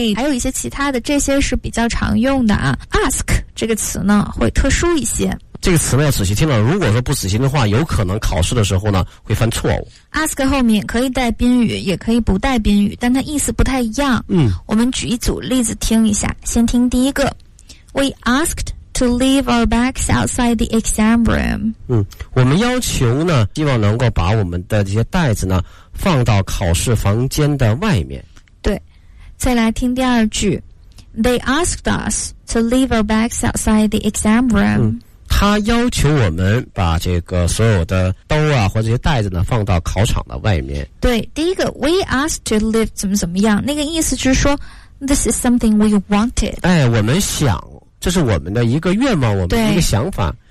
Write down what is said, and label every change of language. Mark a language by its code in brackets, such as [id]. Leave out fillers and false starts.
[zh] 还有一些其他的，这些是比较常用的啊。 ask 这个词呢会特殊一些，这个词呢要仔细听了，如果说不仔细的话有可能考试的时候呢会犯错误。 ask 后面可以带宾语也可以不带宾语，但它意思不太一样。我们举一组例子听一下，先听第一个。 [en] We askedto leave our bags outside the exam room. [zh] 我们要求呢希望能够把我们的这些袋子呢放到考试房间的外面。对，再来听第二句。 [en] They asked us to leave our bags outside the exam room. [zh] 他要求我们把这个所有的兜啊或者这些袋子呢放到考场的外面。对，第一个 [en] we asked to leave [zh] 怎么怎么样，那个意思就是说 [en] this is something we wanted. [zh] 哎，我们想这是我们的一个愿望，我们的一个想法。